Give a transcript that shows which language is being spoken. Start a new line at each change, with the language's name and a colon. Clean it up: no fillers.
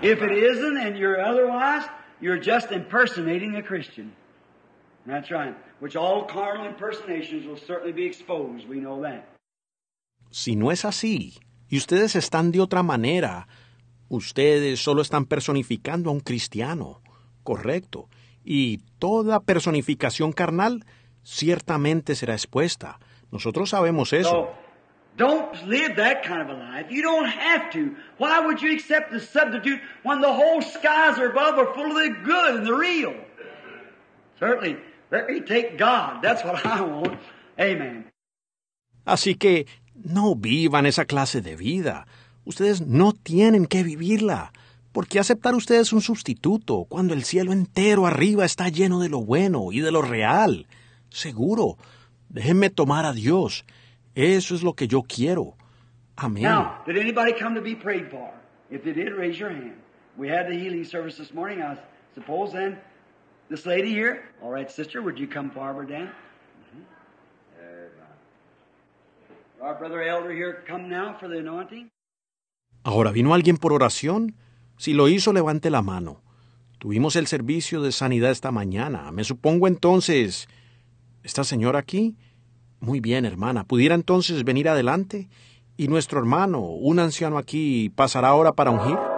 English: If it isn't and you're otherwise, you're just impersonating a Christian. That's right. Which all carnal impersonations will certainly be exposed. We know that.
Spanish: Si no es así y ustedes están de otra manera, ustedes solo están personificando a un cristiano. Correcto. Y toda personificación carnal ciertamente será expuesta. Nosotros sabemos eso.
English: So, don't live that kind of a life. You don't have to. Why would you accept the substitute when the whole skies are above are full of the good and the real? Certainly, let me take God. That's what I want. Amen.
Spanish: Así que no vivan esa clase de vida. Ustedes no tienen que vivirla. ¿Por qué aceptar ustedes un sustituto cuando el cielo entero arriba está lleno de lo bueno y de lo real? Seguro. Déjenme tomar a Dios. Eso es lo que yo quiero. Amén.
English: Now, did anybody come to be prayed for? If they did, raise your hand. We had the healing service this morning. I suppose then, this lady here. All right, sister, would you come forward, Dan? Our brother elder here, come now for the anointing.
Spanish: ¿Ahora vino alguien por oración? Si lo hizo, levante la mano. Tuvimos el servicio de sanidad esta mañana. Me supongo entonces, ¿esta señora aquí? Muy bien, hermana. ¿Pudiera entonces venir adelante? ¿Y nuestro hermano, un anciano aquí, pasará ahora para ungir?